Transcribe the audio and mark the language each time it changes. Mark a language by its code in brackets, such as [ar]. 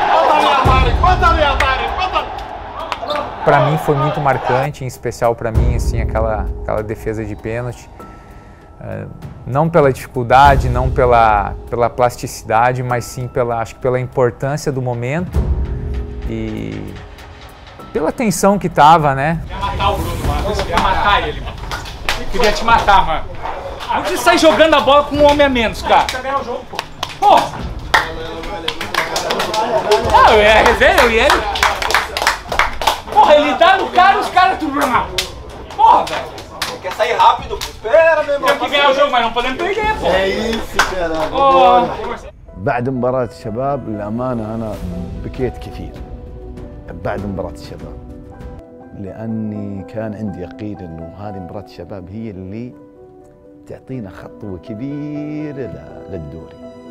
[ar] بطل يا طارق، بطل يا طارق، بطل. [pt] Para mim foi muito marcante, em especial para mim assim aquela defesa de pênalti. Não pela dificuldade, não pela plasticidade, mas sim pela, acho que pela importância do momento e pela tensão que estava, né? Quer matar o Bruno, mano. Queria matar ele, mano. Queria te matar, mano. Onde você sai jogando a bola com um homem a menos, cara? Você ganhou o jogo, pô. Porra! Não, é a reserva, eu e ele. Porra, ele tá no cara e os caras tudo mal. Porra, velho. Quer sair rápido? Espera, meu irmão. Tem que ganhar o jogo, mas não podemos perder, pô. É isso, caralho. [ar] بعد مباراة الشباب للأمانة أنا بكيت كثير بعد مباراة الشباب لأني كان عندي يقين إنه هذه مباراة الشباب هي اللي تعطينا خطوة كبيرة للدوري.